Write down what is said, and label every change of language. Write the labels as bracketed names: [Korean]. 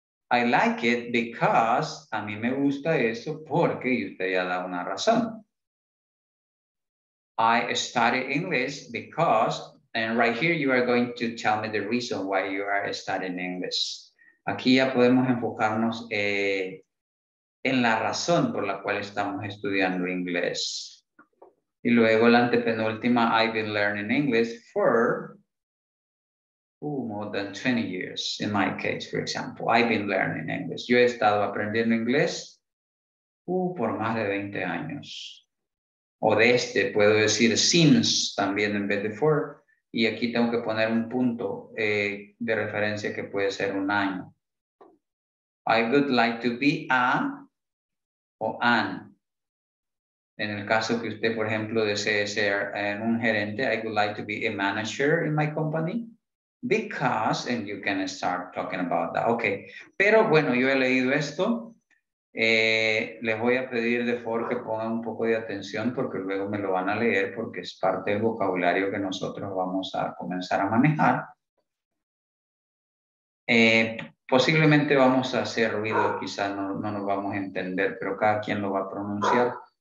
[English] I like it because, [Spanish] a mí me gusta eso porque, y usted ya da una razón. [English] I study English because, and right here you are going to tell me the reason why you are studying English. [Spanish] Aquí ya podemos enfocarnos en la razón por la cual estamos estudiando inglés. Y luego la antepenúltima, [English] I've been learning English for more than 20 years, in my case, for example. I've been learning English. [Spanish] Yo he estado aprendiendo inglés por más de 20 años. O desde, puedo decir since también en vez de for. Y aquí tengo que poner un punto de referencia que puede ser un año. [English] I would like to be a o an. [Spanish] En el caso que usted, por ejemplo, desee ser un gerente, [English] I would like to be a manager in my company. Because, and you can start talking about that. [Spanish] Okay. Pero bueno, yo he leído esto. Les voy a pedir de favor que pongan un poco de atención porque luego me lo van a leer porque es parte del vocabulario que nosotros vamos a comenzar a manejar. Posiblemente vamos a hacer ruido, quizás no nos vamos a entender, pero cada quien lo va a pronunciar.